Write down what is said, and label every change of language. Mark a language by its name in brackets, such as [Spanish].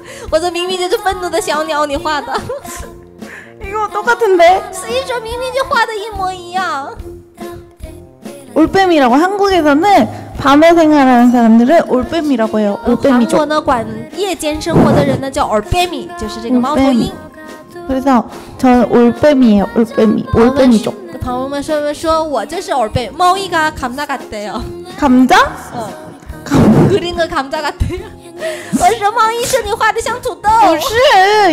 [Chinese] 我这明明就是愤怒的小鸟你画的. [Korean] 이거 똑같은데? [Chinese] 所以说明明就画的一模一样. [Korean] 올빼미라고 한국에서는 밤에 생활하는 사람들은 올빼미라고 해요. 올빼미죠. [Chinese] 韩国呢管夜间生活的人呢叫올빼미，就是这个猫头鹰。 [Korean] 그래서 저는 올빼미예요. 올빼미. 올빼미죠. [Chinese] 朋友们说我就是올빼미. [Korean] 猫이가 감자 같대요. 감자? 그림은 감자 같대요. [Chinese] 我说猫이是你画的像土豆。不是，